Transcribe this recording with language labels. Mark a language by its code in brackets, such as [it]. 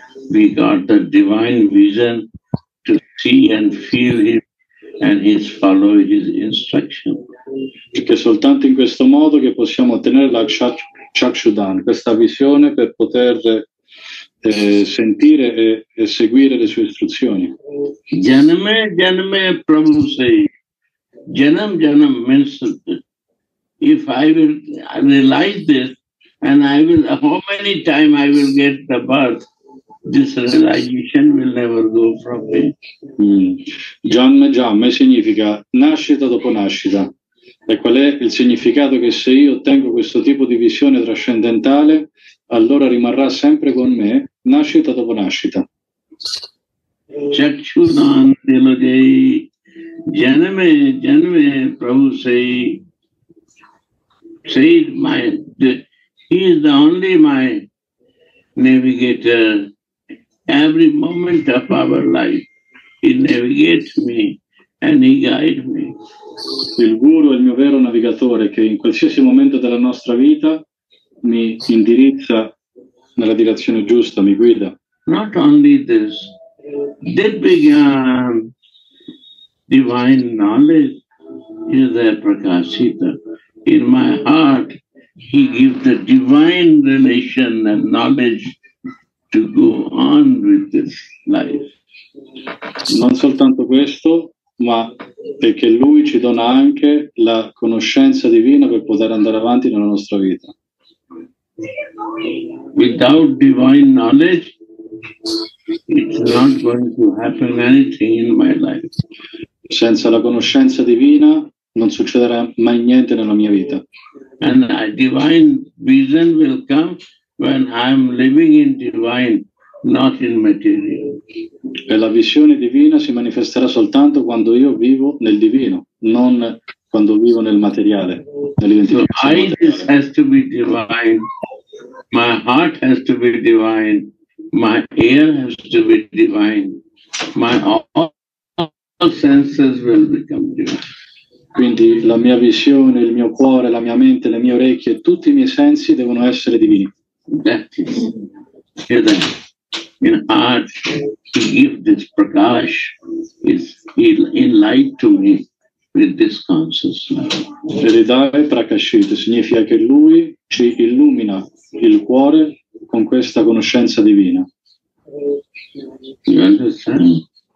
[en] We got the divine vision to see and feel him. And he's following his instruction. [it] Perché soltanto in questo modo che possiamo ottenere la Chakshudan, questa visione per poter sentire e seguire le sue istruzioni. [bn] Janame, janame, Prabhu [en] say. Janam, janam means if I will realize this and I will, how many times I will get the birth. This realization will never go from me. [it] Janma Janma significa nascita dopo nascita. E qual è il significato? Che se io ottengo questo tipo di visione trascendentale, allora rimarrà sempre con me, nascita dopo nascita. [bn] Chakshudan Dilogai Janame Janame Prabhu [en] say my he is the only my navigator. Every moment of our life, he navigates me and he guides me. [it] Il Guru è il mio vero navigatore che in qualsiasi momento della nostra vita mi indirizza nella direzione giusta, mi guida. [en] Not only this, Devvigyan, divine knowledge is the Prakashita. In my heart, he gives the divine relation and knowledge to go on with this life. [it] Non soltanto questo, ma perché lui ci dona anche la conoscenza divina per poter andare avanti nella nostra vita. [en] Without divine knowledge, it's not going to happen anything in my life. [it] Senza la conoscenza divina non succederà mai niente nella mia vita. [en] And a divine vision will come when I'm living in divine, not in material. [it] E la visione divina si manifesterà soltanto quando io vivo nel divino, non quando vivo nel materiale, nell'identificazione. [en] So, eyes has to be divine, my heart has to be divine, my ear has to be divine, my all senses will become divine. [it] Quindi la mia visione, il mio cuore, la mia mente, le mie orecchie, tutti i miei sensi devono essere divini. [en] That is hidden in heart to give this prakash, is enlightened to me with this consciousness. [it] Ridare prakashit significa che lui ci illumina il cuore con questa conoscenza divina. [en] You understand?